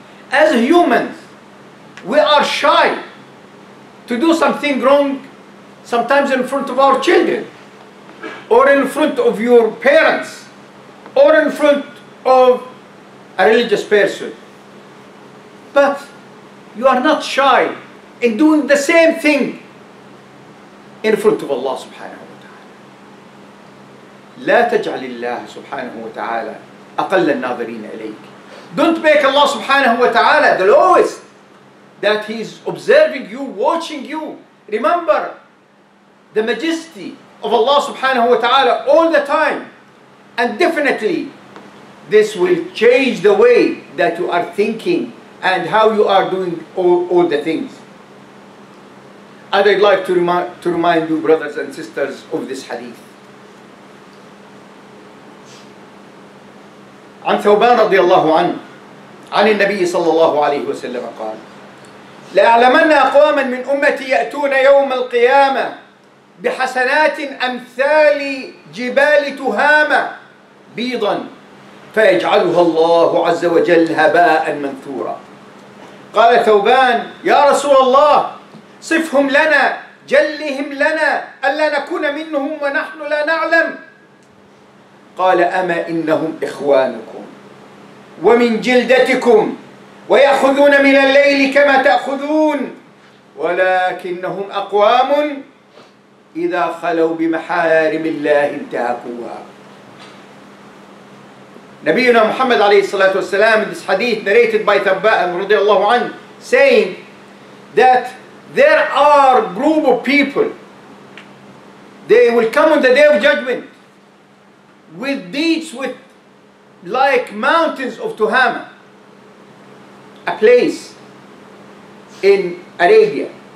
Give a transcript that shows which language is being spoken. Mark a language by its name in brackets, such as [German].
[English] As humans, we are shy to do something wrong, sometimes in front of our children, or in front of your parents, or in front of a religious person. But you are not shy in doing the same thing in front of Allah subhanahu wa ta'ala. [Arabic] لا تجعل الله سبحانه وتعالى أقل الناظرين إليك. [English] Don't make Allah subhanahu wa ta'ala the lowest, that He is observing you, watching you. Remember the majesty of Allah subhanahu wa ta'ala all the time. And definitely, this will change the way that you are thinking and how you are doing all the things. And I'd like to remind you, brothers and sisters, of this hadith. [Arabic] عن ثوبان رضي الله عنه عن النبي صلى الله عليه وسلم قال لأعلمن أقواما من أمتي يأتون يوم القيامة بحسنات أمثال جبال تهامة بيضا فيجعلها الله عز وجل هباء منثورا. قال ثوبان يا رسول الله صفهم لنا جلهم لنا ألا نكون منهم ونحن لا نعلم. قال أما إنهم إخوانكم ومن جلدتكم ويأخذون من الليل كما تأخذون ولكنهم أقوام إذا خلوا بمحارم الله انتهكوها. [English] Nabiyuna Muhammad alayhi salatu wasalam, in this hadith narrated by Thabba'an radiallahu anhu, saying that there are group of people, They will come on the day of judgment with deeds with like mountains of Tuhama, a place in Arabia.